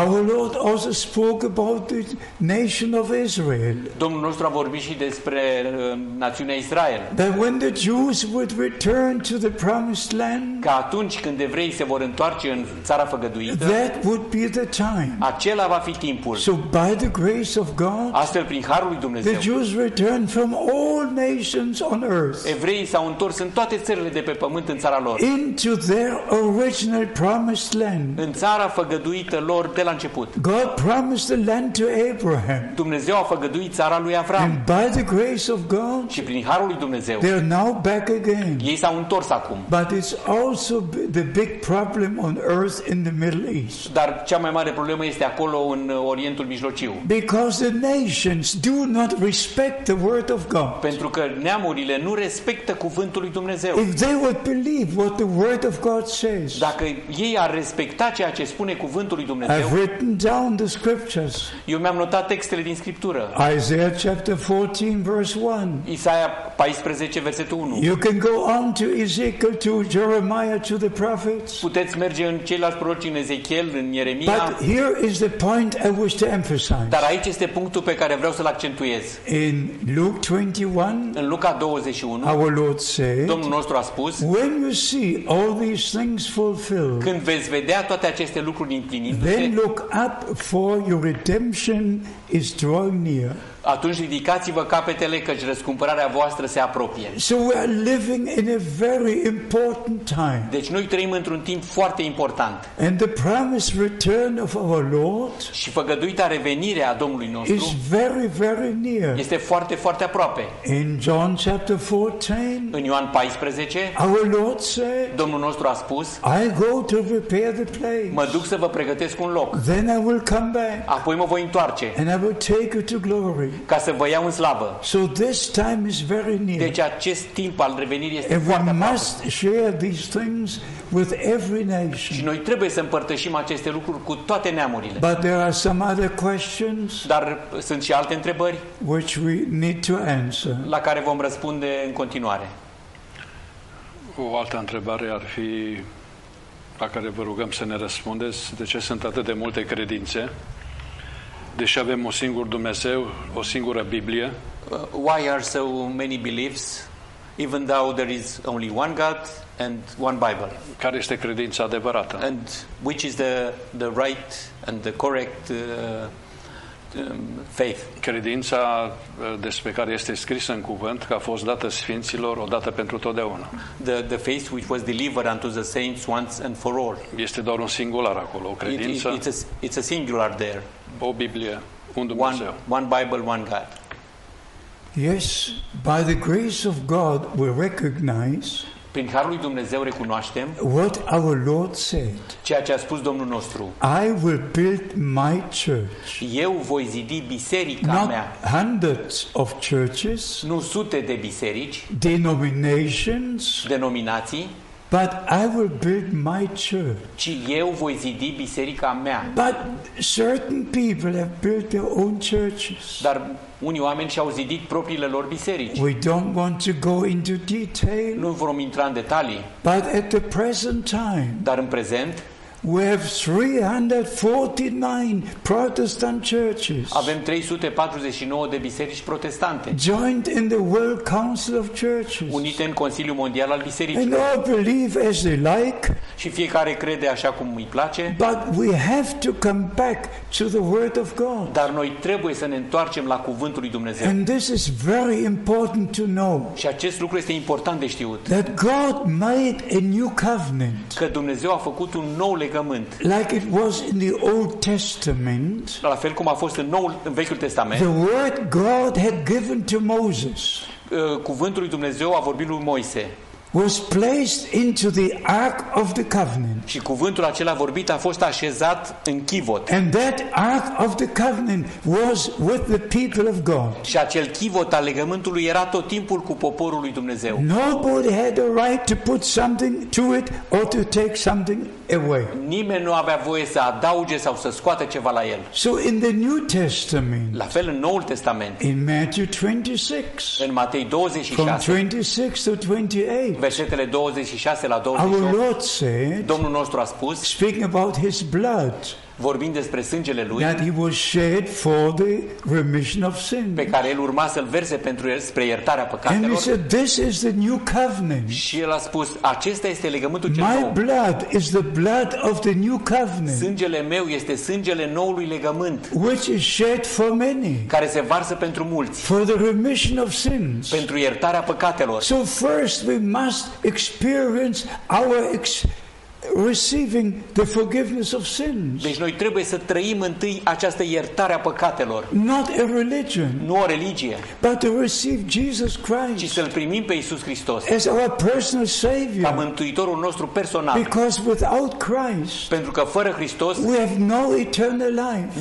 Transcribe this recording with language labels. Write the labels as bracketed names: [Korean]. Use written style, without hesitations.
[English] Our Lord also spoke about the nation of Israel. [Romanian] Domnul nostru a vorbit și despre națiunea Israel. [English] That when the Jews would return to the promised land. [Romanian] Că atunci când evrei se vor întoarce în țara făgăduită. [English] That would be the time. [Romanian] Acela va fi timpul. [English] So by the grace of God. [Romanian] Astfel prin harul lui Dumnezeu. [English] The Jews return from all nations on earth. [Romanian] Evreii s-au întors în toate țările de pe pământ în țara lor. [English] Into their original promised land. [Romanian] În țara făgăduită lor de la început. [English] God promised the land to Abraham. [Romanian] Dumnezeu a făgăduit țara lui Avram. [English] And by the grace of God. [Romanian] Și prin harul lui Dumnezeu. [English] They are now back again. [Romanian] Ei s-au întors acum. [English] But it's also the big problem on earth in the Middle East. [Romanian] Dar cea mai mare problemă este acolo în Orientul Mijlociu. [English] Because the nations do not respect the word of God. [Romanian] Pentru că neamurile nu respectă cuvântul lui Dumnezeu. [English] If they would believe what the word of God says. [Romanian] Dacă ei ar respecta ceea ce spune cuvântul lui Dumnezeu. [English] I've written down the scriptures. [Romanian] Eu mi-am notat textele din scriptură. [English] Isaiah chapter 14 verse 1. [Romanian] Isaia 14 versetul 1. [English] You can go on to Ezekiel, to Jeremiah, to the prophets. [Romanian] Puteți merge în ceilalți proroci, în Ezechiel, în Ieremia. [English] But here is the point I wish to emphasize. [Romanian] Dar aici este punctul pe care vreau să-l accentuez. [English] In Luke 21, [Romanian] în Luca 21, [English] our Lord said, [Romanian] Domnul nostru a spus, [English] when you see all these things fulfilled, [Romanian] când veți vedea toate aceste lucruri împlinindu-se, [English] then look up, for your redemption is drawing near. [Romanian] Atunci ridicați-vă capetele, căci răscumpărarea voastră se apropie. [English] So we are living in a very important time. [Romanian] Deci noi trăim într-un timp foarte important. [English] And the promised return of our Lord. [Romanian] Și făgăduita revenire a Domnului nostru. [English] Is very, very near. [Romanian] Este foarte, foarte aproape. [English] In John chapter 14. [Romanian] În Ioan 14. [English] Our Lord said. [Romanian] Domnul nostru a spus. [English] I go to prepare the place. [Romanian] Mă duc să vă pregătesc un loc. [English] Then I will come back. [Romanian] Apoi mă voi întoarce. [English] And I will take you to glory. [Romanian] Ca să vă iau în slavă. [English] So this time is very near. [Romanian] Deci acest timp al revenirii este [English] and [Romanian] foarte aproape. [English] We must share these things with every nation. [Romanian] Și noi trebuie să împărtășim aceste lucruri cu toate neamurile. [English] But there are some other questions. [Romanian] Dar sunt și alte întrebări. [English] Which we need to answer. [Romanian] La care vom răspunde în continuare. O altă întrebare ar fi, la care vă rugăm să ne răspundeți, de ce sunt atât de multe credințe? Deși avem un singur Dumnezeu, o singură Biblie. [English] Why are so many beliefs, even though there is only one God and one Bible? [Romanian] Care este credința adevărată? [English] And which is the right and the correct faith? [Romanian] Credința despre care este scrisă în cuvânt că a fost dată sfinților o dată pentru totdeauna. [English] The faith which was delivered unto the saints once and for all. [Romanian] Este doar un singular acolo, o credință. [English] It's a singular there. [Romanian] O Biblie, un Dumnezeu. [English] One Bible, one God. Yes, by the grace of God we recognize. [Romanian] Prin harul lui Dumnezeu recunoaștem. [English] What our Lord said. [Romanian] Ceea ce a spus Domnul nostru. [English] I will build my church. [Romanian] Eu voi zidi biserica [English] not [Romanian] mea. [English] Hundreds of churches. [Romanian] Nu sute de biserici. [English] Denominations. [Romanian] Denominații. [English] But I will build my church. [Romanian] Ci eu voi zidi biserica mea. [English] But certain people have built their own churches. [Romanian] Dar unii oameni și-au zidit propriile lor biserici. [English] We don't want to go into detail. [Romanian] Nu vom intra în detalii. [English] But at the present time. [Romanian] Dar în prezent. [English] We have 349 Protestant churches. [Romanian] Avem 349 de biserici protestante. [English] Joined in the World Council of Churches. [Romanian] Unite în Consiliul Mondial al Bisericilor. [English] And all believe as they like. [Romanian] Și fiecare crede așa cum îi place. [English] But we have to come back to the word of God. [Romanian] Dar noi trebuie să ne întoarcem la cuvântul lui Dumnezeu. [English] And this is very important to know. [Romanian] Și acest lucru este important de știut. [English] That God made a new covenant. [Romanian] Că Dumnezeu a făcut un nou legământ. [English] Like it was in the Old Testament. [Romanian] La fel cum a fost în Noul, în Vechiul Testament. [English] The word God had given to Moses. [Romanian] Cuvântul lui Dumnezeu a vorbit lui Moise. [English] was placed into the Ark of the Covenant. [Romanian] Și cuvântul acela vorbit a fost așezat în chivot. [English] And that Ark of the Covenant was with the people of God. [Romanian] Și acel chivot al legământului era tot timpul cu poporul lui Dumnezeu. [English] Nobody had a right to put something to it or to take something away. [Romanian] Nimeni nu avea voie să adauge sau să scoată ceva la el. [English] So in the New Testament. [Romanian] La fel în Noul Testament. [English] In Matthew 26. [Romanian] În Matei 26. [English] From 26 to 28. [Romanian] Versetele 26 la 28. Domnul nostru a spus, [English] speaking about his blood, [Romanian] vorbind despre sângele lui, [English] that he was shed for the remission of sin, [Romanian] pe care el urma să-l verse pentru el spre iertarea păcatelor. [English] And he said, this is the new covenant. [Romanian] Și el a spus, acesta este legământul cel [English] My [Romanian] nou. [English] Blood is the blood of the new covenant. [Romanian] Sângele meu este sângele noului legământ, [English] which is shed for many, [Romanian] care se varsă pentru mulți, [English] for the remission of sins, [Romanian] pentru iertarea păcatelor. [English] So first we must experience our receiving the forgiveness of sins. [Romanian] Deci noi trebuie să trăim întâi această iertare a păcatelor. [English] Not a religion. [Romanian] Nu o religie. [English] But to receive Jesus Christ. [Romanian] Ci să-l primim pe Iisus Hristos. [English] As our personal savior. [Romanian] Ca mântuitorul nostru personal. [English] Because without Christ. [Romanian] Pentru că fără Hristos. [English] We have no eternal life.